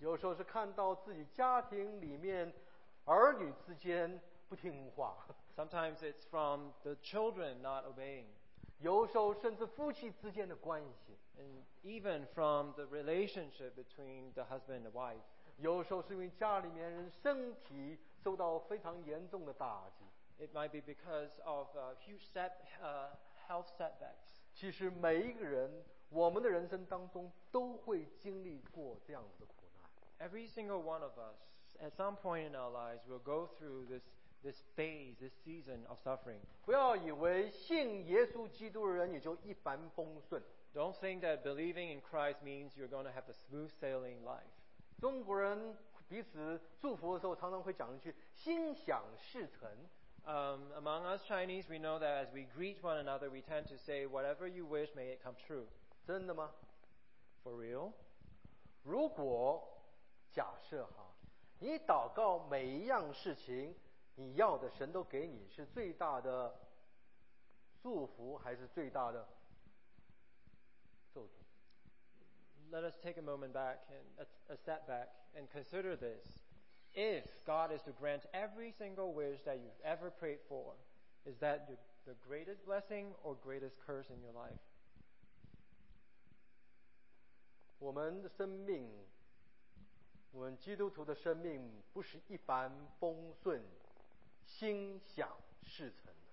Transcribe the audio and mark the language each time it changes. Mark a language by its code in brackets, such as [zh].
[zh] 有时候是看到自己家庭里面儿女之间不听话。 [en] Sometimes it's from the children not obeying. [zh] 有时候甚至夫妻之间的关系 [en] and even from the relationship between the husband and the wife [zh] 有时候是因为家里面人身体受到非常严重的打击 [en] it might be because of huge health setbacks [zh] 其实每一个人我们的人生当中都会经历过这样子的苦难 [en] every single one of us at some point in our lives will go through this phase, this season of suffering. [zh] 不要以为信耶稣基督的人也就一帆风顺。 [en] Don't think that believing in Christ means you're going to have a smooth sailing life. [zh] 中国人彼此祝福的时候常常会讲一句心想事成。 [en] Among us Chinese, we know that as we greet one another, we tend to say, whatever you wish, may it come true. [zh] 真的吗？ [en] For real? [zh] 如果假设哈，你祷告每一样事情你要的神都给你是最大的祝福还是最大的咒诅 [en] let us take a moment back and a step back and consider this. If God is to grant every single wish that you've ever prayed for, is that the greatest blessing or greatest curse in your life? [zh] 我们的生命，我们基督徒的生命，不是一帆风顺，心想事成。